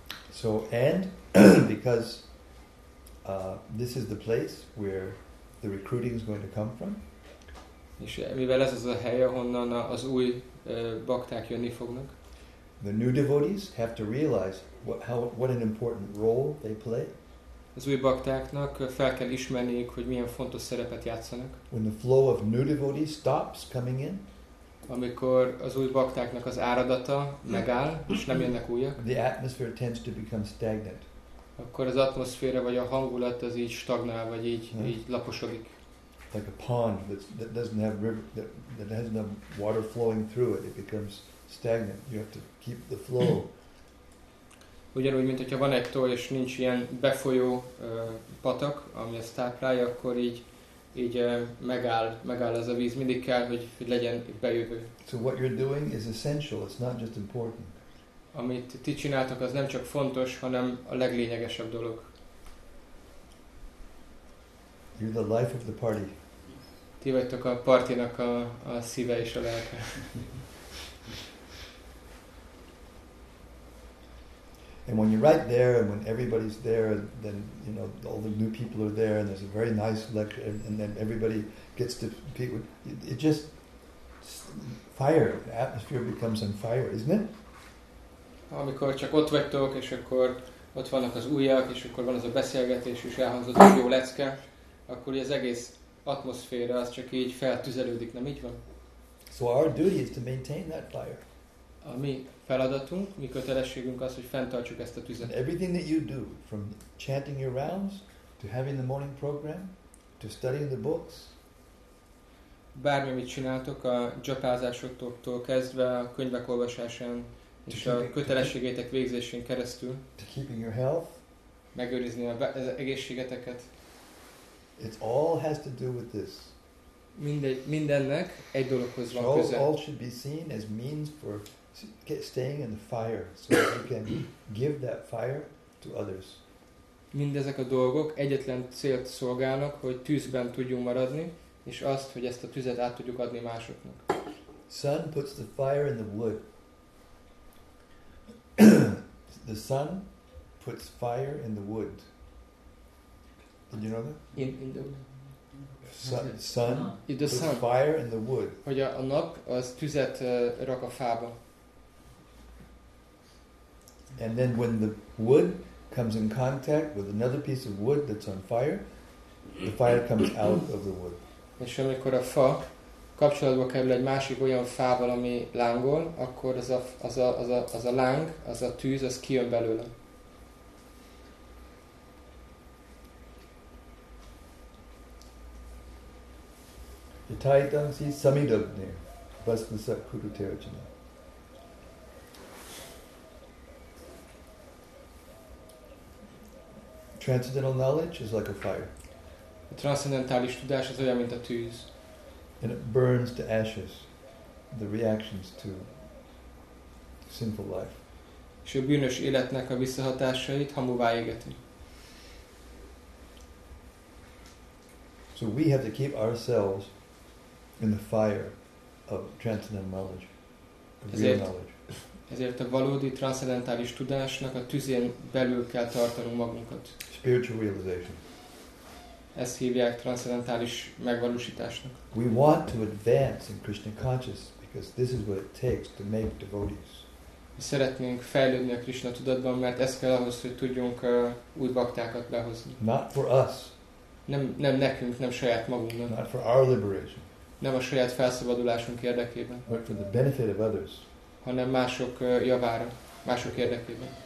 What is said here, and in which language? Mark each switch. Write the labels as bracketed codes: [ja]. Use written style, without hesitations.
[en] So, and because this is the place where the recruiting is going to come from. [hu] És mivel ez az a hely, ahonnan az új bakták jönni fognak. [en] The new devotees have to realize what an important role they play. [hu] Az új baktáknak fel kell ismerniük, hogy milyen fontos szerepet játszanak. [en] When the flow of new devotees stops coming in. [hu] Amikor az új baktáknak az áradata megáll, és nem jönnek újak. [en] The atmosphere tends to become stagnant. [hu] akkor az atmoszféra vagy a hangulat az így stagnál vagy így yeah. így laposodik. [en] Like a pond that doesn't have river that has no water flowing through it, it becomes stagnant. You have to keep the flow. [hu] Ugyanúgy, mint hogyha van egy tó és nincs ilyen befolyó patak, ami ezt táplálja, akkor így megáll ez a víz, mindig kell, hogy legyen bejövő. [en] So what you're doing is essential, it's not just important. [hu] Amit ti csináltok, az nem csak fontos, hanem a leglényegesebb dolog. [en] You're the life of the party. [hu] Ti vagytok a partinak a szíve és a lelke. [en] And when you're right there, and when everybody's there, then you know all the new people are there, and there's a very nice lecture, and then everybody gets to speak. It just fire. The atmosphere becomes on fire, isn't it? [hu] Amikor csak ott vagytok, és akkor ott vannak az újak, és akkor van ez a beszélgetés, és elhangzott egy jó lecke, akkor az egész atmoszféra az csak így feltüzelődik, nem így van? [en] So our duty is to maintain that fire. [hu] Ami feladatunk, mi kötelességünk az, hogy fenntartsuk ezt a tüzet. [en] Everything that you do, from chanting your rounds, to having the morning program, to studying the books. [hu] Bármi, amit csináltok, a japázásoktól kezdve, a könyvek olvasásán, és a kötelességétek végzésén keresztül. [en] To keeping your health. [hu] Megőrizni az egészségeteket. [en] It all has to do with this. [hu] Mindennek egy dologhoz van köze. [en] All should be seen as means for staying in the fire, so that you can give that fire to others. [hu] Mindezek a dolgok egyetlen célt szolgálnak, hogy tűzben tudjunk maradni, és azt, hogy ezt a tüzet át tudjuk adni másoknak. [en] Sun puts the fire in the wood. The sun puts fire in the wood. Did you know that? In the sun. In the puts sun. Fire in the wood. [hu] Hogy a nap az tüzet rak a fába. [en] And then when the wood comes in contact with another piece of wood that's on fire, the fire comes out of the wood. [hu] És amikor a fa kapcsolatba kerül egy másik olyan fával, ami lángol, akkor az a láng, az a tűz, az kijön belőle. The Thai Dungsi Samidabne, Vasnasak Kuru Terajana. [en] Transcendental knowledge is like a fire. [hu] A transzendentális tudás az olyan, mint a tűz. [en] And it burns to ashes the reactions to sinful life. [hu] És a bűnös életnek a visszahatásait hamuvá égeti. [en] So we have to keep ourselves in the fire of transcendental knowledge, real knowledge. [hu] Ezért a valódi transzendentális tudásnak a tüzén belül kell tartanunk magunkat. [en] Spiritual realization. [hu] Ezt hívják transzendentális megvalósításnak. [en] We want to advance in Krishna consciousness because this is what it takes to make devotees. [hu] Szeretnénk fejlődni a Krishna tudatban, mert ez kell ahhoz, hogy tudjunk új baktákat behozni. [en] Not for us. [hu] Nem nekünk, nem saját magunknak. [en] Not for our liberation. [hu] Nem a saját felszabadulásunk érdekében. [en] But for the benefit of others. [hu] Hanem mások javára, mások érdekében.